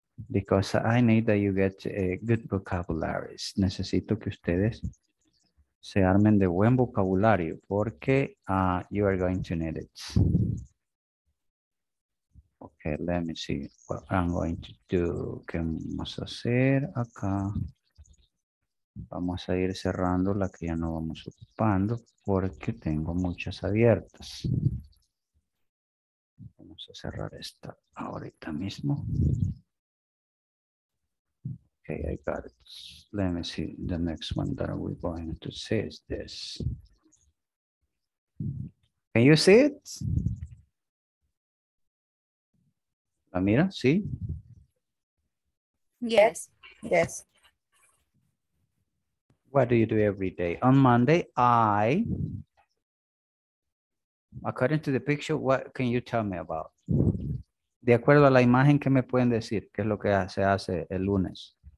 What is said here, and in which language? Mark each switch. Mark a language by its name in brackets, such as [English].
[English] Because I need that you get a good vocabulary. [Spanish] Necesito que ustedes se armen de buen vocabulario porque [English] you are going to need it. Okay, let me see what I'm going to do. [Spanish] ¿Qué vamos a hacer acá? Vamos a ir cerrando la que ya no vamos ocupando porque tengo muchas abiertas. Vamos a cerrar esta ahorita mismo. [English] Okay, I got it. Let me see the next one that we're going to see is this. Can you see it? [Spanish] Amira, sí. [English] Yes, yes. What do you do every day? On Monday, I, according to the picture, what can you tell me about? [Spanish] De acuerdo a la imagen, ¿qué me pueden decir? ¿Qué es lo que se hace el lunes?